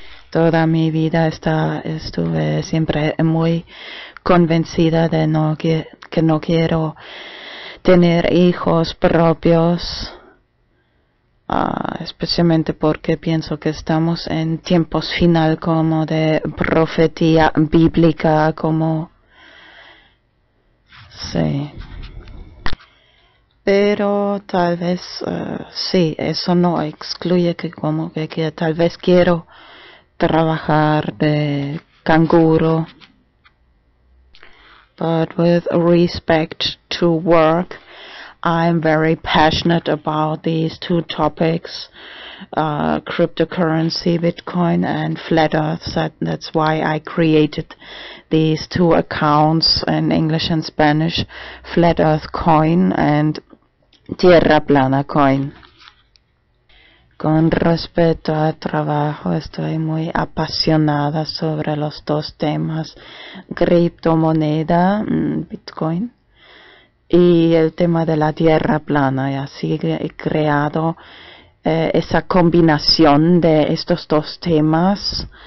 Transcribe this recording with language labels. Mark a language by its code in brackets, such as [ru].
[es] Toda mi vida estuve siempre muy convencida de que no quiero tener hijos propios, especialmente porque pienso que estamos en tiempos final como de profecía bíblica, como sí. Pero tal vez sí, eso no excluye que como que tal vez quiero trabajar de canguro. [en] But with respect to work, I'm very passionate about these two topics, cryptocurrency, Bitcoin, and Flat Earth. That's why I created these two accounts in English and Spanish, Flat Earth Coin and Tierra Plana Coin. [es] Con respecto al trabajo, estoy muy apasionada sobre los dos temas, criptomoneda, Bitcoin, y el tema de la tierra plana. Y así he creado esa combinación de estos dos temas.